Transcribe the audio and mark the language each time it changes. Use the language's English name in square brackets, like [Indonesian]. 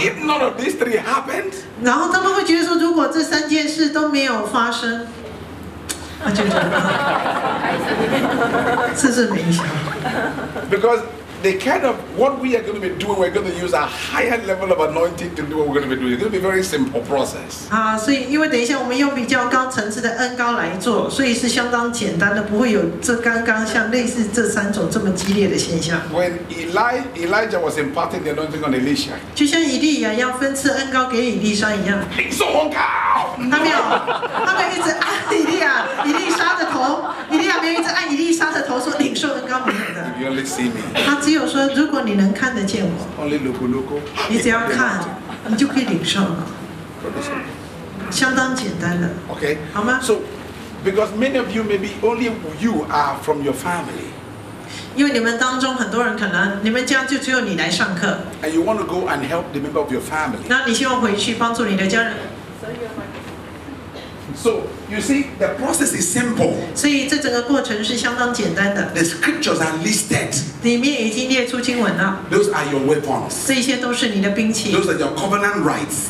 [English] So if none of these three happened, [Chinese] 然后他们会觉得说，如果这三件事都没有发生，啊，就这样，这是明显。 [English] Because the kind of what we are going to be doing, we're going to use a higher level of anointing to do what we're going to be doing. It's going to be a very simple process. [Chinese] 啊，所以因为等一下我们用比较高层次的恩膏来做，所以是相当简单的，不会有这刚刚像类似这三种这么激烈的现象。 [English] When Elijah was imparting the anointing on Elisha, [Chinese] 就像以利亚要分赐恩膏给以利沙一样，领受恩膏。他没有，他们一直按以利沙的头，以利亚没有一直按以利沙的头说领受恩膏没有的。 [English] You only see me. [Chinese] 他只有说，如果你能看得见我， [English] only look. [Chinese] 你只要看，你就可以领受了。相当简单的。 [English] Okay. [Chinese] 好吗 [English] ？So, because many of you maybe only you are from your family. [Chinese] 因为你们当中很多人可能，你们家就只有你来上课。 [English] And you want to go and help the member of your family. [Chinese] 那你希望回去帮助你的家人。 [English] So you see, the process is simple. [Chinese] 所以这整个过程是相当简单的。 [English] The scriptures are listed. [Chinese] 里面已经列出经文了。 [English] Those are your weapons. [Chinese] 这些都是你的兵器。 [English] Those are your covenant rights.